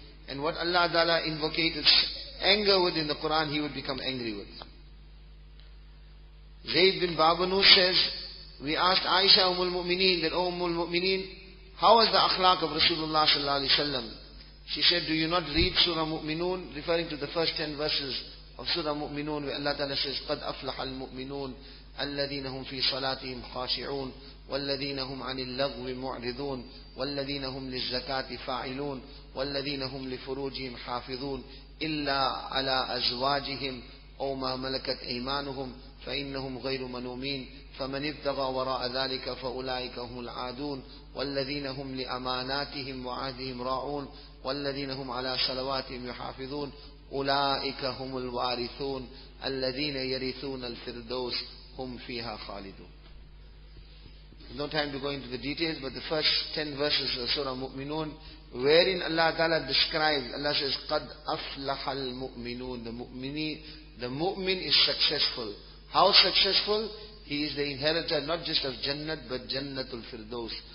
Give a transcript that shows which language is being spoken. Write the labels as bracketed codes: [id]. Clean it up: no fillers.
[en] And what Allah ta'ala invocated anger with in the Qur'an, he would become angry with. Zayd bin Babanu says, we asked Aisha Ummul Mu'mineen that, O Ummul Mu'mineen, how was the akhlaq of Rasulullah sallallahu alayhi wa sallam? She said, do you not read Surah Mu'minun? Referring to the first 10 verses of Surah Mu'minun, where Allah Ta'ala says, [ar] قَدْ أَفْلَحَ الْمُؤْمِنُونَ الَّذِينَ هُمْ فِي صَلَاتِهِمْ خَاشِعُونَ وَالَّذِينَ هُمْ عَنِ اللَّغْوِ مُعْرِضُونَ وَالَّذِينَ هُمْ لِلزَّكَاةِ فَاعِلُونَ وَالَّذِينَ هُمْ لِفُرُوجِهِمْ حَافِظُونَ إِلَّا عَلَىٰ أَزْوَاجِهِمْ أَوْ مَا مَلَكَتْ أَيْمَانُهُمْ فَإِنَّهُمْ غَيْرُ مَلُومِينَ فَمَنِ ابْتَغَى وَرَاءَ ذَلِكَ فَأُولَٰئِكَ هُمُ الْعَادُونَ وَالَّذِينَ هُمْ لِأَمَانَاتِهِمْ وَعَهْدِهِمْ رَاعُونَ وَالَّذِينَ هُمْ عَلَى صَلَوَاتِهِمْ يُحَافِظُونَ أُولَٰئِكَ هُمُ الْوَارِثُونَ الَّذِينَ يَرِثُونَ الْفِرْدَوْسَ هُمْ فِيهَا خَالِدُونَ. [en] No time to go into the details, but the first 10 verses of Surah Mu'minun, wherein Allah Ta'ala describes, Allah says, [ar] قَدْ أَفْلَحَ الْمُؤْمِنُونَ. [en] The mu'min is successful. How successful? He is the inheritor not just of Jannat, but Jannatul Firdaus.